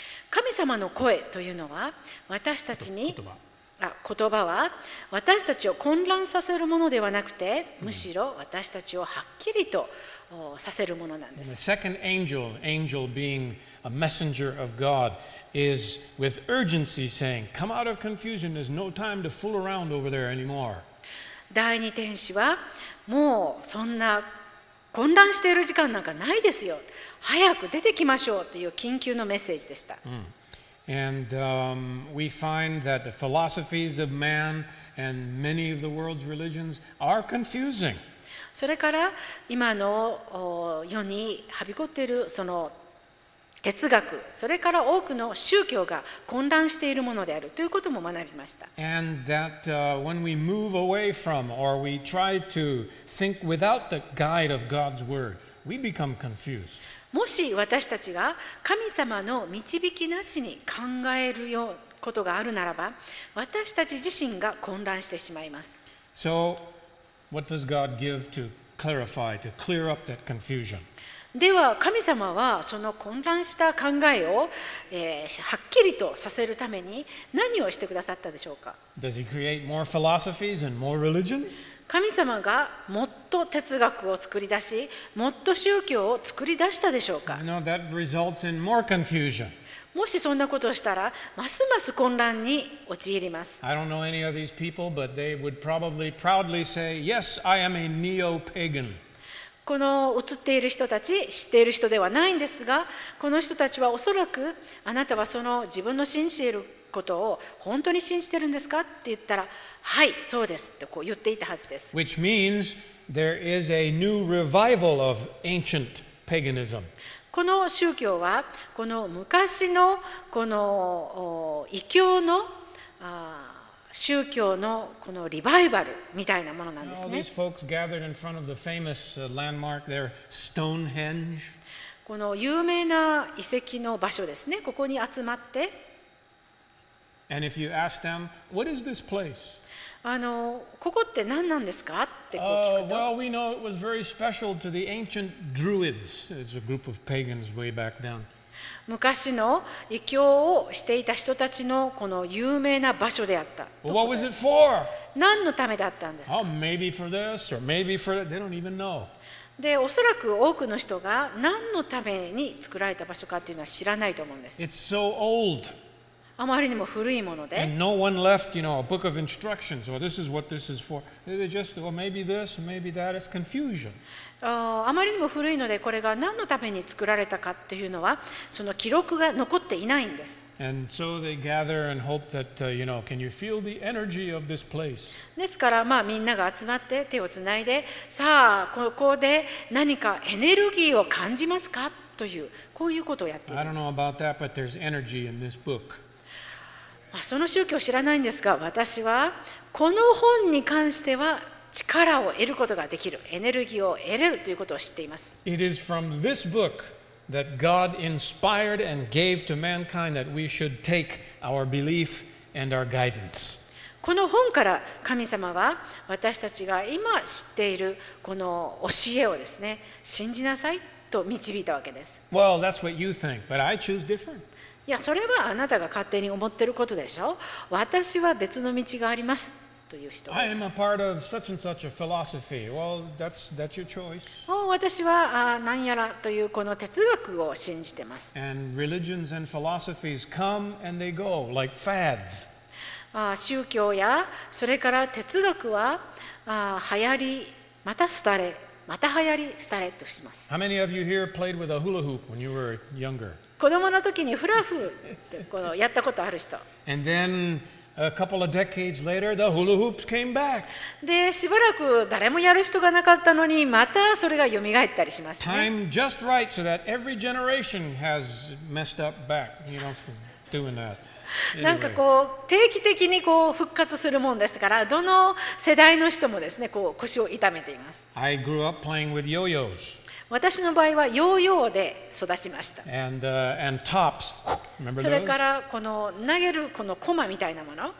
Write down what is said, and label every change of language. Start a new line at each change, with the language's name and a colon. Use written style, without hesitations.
Japanese: 神様の声というのは私たちに言葉は私たちを混乱させるものではなくて、むしろ私たちをはっきりとさせるものなんです。
English: The second angel, angel being a messenger of God. Is with urgency saying, "Come out of confusion. There's no time to fool around over there anymore."
Japanese: 第二天使はもうそんな混乱している時間なんかないですよ。早く出てきましょうという緊急のメッセージでした。
English: And we find that the philosophies of man and many of the world's religions are confusing.
Japanese: それから今の世にはびこっているその哲学、それから多くの宗教が混乱しているものであるということも学びました。
English: And that, when we move away from or we try to think without the guide of God's word, we become confused.
Japanese: もし私たちが神様の導きなしに考えるようことがあるならば、私たち自身が混乱してしまいます。
English: So, what does God give to clarify, to clear up that confusion?
Japanese: では神様はその混乱した考えを、はっきりとさせるために何をしてくださったでしょうか。
English: Does he create more philosophies and more religion?
Japanese: 神様がもっと哲学を作り出し、もっと宗教を作り出したでしょうか。
English: No, that results in more confusion.
Japanese: もしそんなことをしたら、ますます混乱に陥ります。
English: I don't know any of these people, but they would probably proudly say, Yes, I am a neo-pagan.
Japanese: この映っている人たち、知っている人ではないんですが、この人たちはおそらく、あなたはその自分の信じていることを本当に信じているんですかって言ったら、はい、そうですってこう言っていたはずです。
English: Which means there is a new revival of ancient paganism.
Japanese: この宗教は、この昔のこの異教の宗教のこのリバイバルみたいなものなんですね。
English: All these folks gathered in front of the famous landmark there, Stonehenge.
Japanese: この有名な遺跡の場所ですね。ここに集まって。
English: And if you ask them, what is this place?
Japanese: ここって何なんですかってこう聞くと。
English: Well, we know it was very special to the ancient druids. It's a group of pagans way back then.
Japanese: 昔の異教をしていた人たちのこの有名な場所であった。
English: What was it for?
Japanese: 何のためだったんですか。
English: Oh, maybe for this or maybe for that. They don't even know.
Japanese: で、おそらく多くの人が何のために作られた場所かというのは知らないと思うんです。 It's so old. あまりにも古いもので。
English: And no one left, you know, a book of instructions or this is what this is for. They just, well, maybe this, maybe that. It's confusion.
Japanese: あまりにも古いのでこれが何のために作られたかというのはその記録が残っていないんです。
English: And so they gather and hope that, you know, can you feel the energy of this place?
Japanese: ですから、まあ、みんなが集まって手をつないで、さあここで何かエネルギーを感じますかというこういうことをやっています。
English: I don't know about that, but there's energy in this book.
Japanese: まあ、その宗教を知らないんですが、私はこの本に関しては力を得ることができる、エネルギーを得れるということを知っています。
English: It is from this book that God inspired and gave to mankind that we should take our belief and our guidance.
Japanese: この本から神様は私たちが今知っているこの教えをですね、信じなさいと導いたわけです。
English: Well, that's what you think, but I choose different.
Japanese: いや、それはあなたが勝手に思ってることでしょ。私は別の道があります。
English: I am a part of such and such a philosophy. Well, that's your choice.
Japanese: Oh, 私は何やらというこの哲学を信じてます。
English: And religions and philosophies come and they go like fads.
Japanese: 宗教やそれから哲学は流行りまた廃れまた流行りスタレットします。
English: How many of you here played with a hula hoop when you were younger?
Japanese: 子供の時にフラフってこのやったことある人。
English: And then a couple of decades later, the hula hoops came back.
Japanese: で、しばらく誰もやる人がなかったのに、またそれが蘇ったりしますね。
English: Time just right so that every generation has messed up back, you know, from doing that.
Japanese: なんかこう定期的にこう復活するもんですから、どの世代の人もですね、こう腰を痛めています。
English: I grew up playing with yo-yos.
Japanese: 私の場合はヨーヨーで育ちました。
English: And, and tops. Remember those?
Japanese: それからこの投げるこのコマみたいなもの。